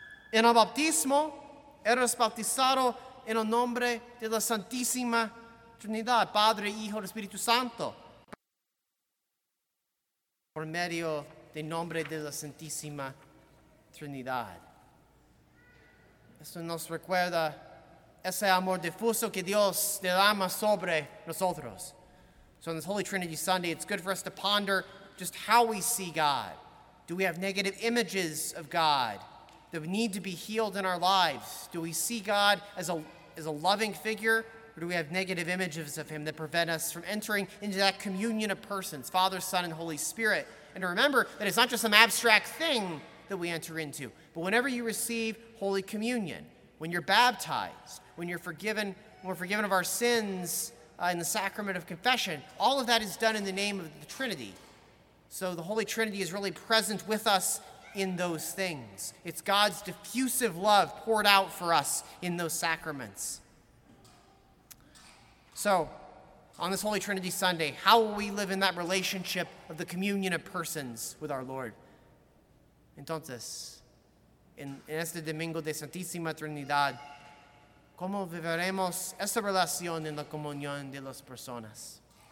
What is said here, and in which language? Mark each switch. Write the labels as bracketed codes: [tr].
[es] En el bautismo, eres bautizado en el nombre de la Santísima Trinidad, Padre, Hijo y Espíritu Santo, por medio del nombre de la Santísima Trinidad. Esto nos recuerda ese amor difuso que Dios derrama sobre nosotros. [en] So on this Holy Trinity Sunday, it's good for us to ponder just how we see God. Do we have negative images of God that need to be healed in our lives? Do we see God as a loving figure, or do we have negative images of him that prevent us from entering into that communion of persons, Father, Son, and Holy Spirit? And remember that it's not just some abstract thing that we enter into, but whenever you receive Holy Communion, when you're baptized, when we're forgiven of our sins in the sacrament of confession, all of that is done in the name of the Trinity. So the Holy Trinity is really present with us in those things. It's God's diffusive love poured out for us in those sacraments. So, on this Holy Trinity Sunday, how will we live in that relationship of the communion of persons with our Lord? [es] Entonces, en este Domingo de Santísima Trinidad, ¿cómo viviremos esa relación en la comunión de las personas?